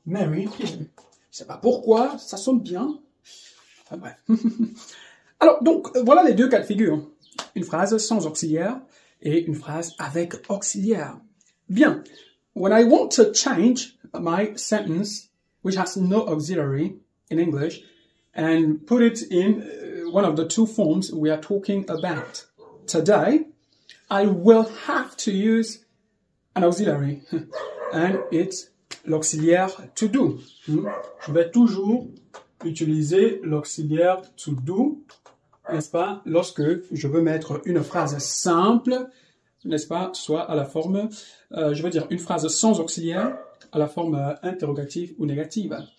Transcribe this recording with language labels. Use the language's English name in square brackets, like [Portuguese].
[French] Mary, je ne sais pas pourquoi, ça sonne bien. Enfin bref. Alors, donc, voilà les deux cas de figure. Une phrase sans auxiliaire et une phrase avec auxiliaire. Bien. [English] When I want to change my sentence, which has no auxiliary in English, and put it in one of the two forms we are talking about today, I will have to use an auxiliary, and it's [French] l'auxiliaire [English] to do. [French] Je vais toujours utiliser l'auxiliaire to do, n'est-ce pas, lorsque je veux mettre une phrase simple, n'est-ce pas, soit à la forme, je veux dire une phrase sans auxiliaire, à la forme interrogative ou négative.